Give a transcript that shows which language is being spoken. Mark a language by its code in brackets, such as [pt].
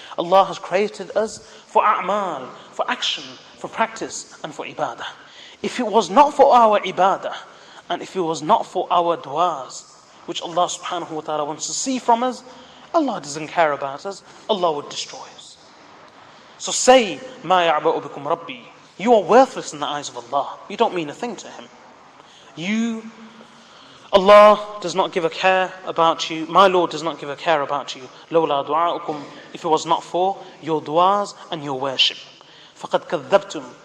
[en] Allah has created us for a'mal, for action, for practice and for ibadah. If it was not for our ibadah, and if it was not for our du'as, which Allah subhanahu wa ta'ala wants to see from us, Allah doesn't care about us, Allah would destroy us. So say, [ar] مَا يَعْبَأُ بِكُمْ رَبِّي. [en] You are worthless in the eyes of Allah. You don't mean a thing to him. Allah does not give a care about you. My Lord does not give a care about you. [ar] لَوْلَا دُعَاءُكُمْ. [en] If it was not for your du'as and your worship. [ar] فَقَدْ كَذَّبْتُمْ.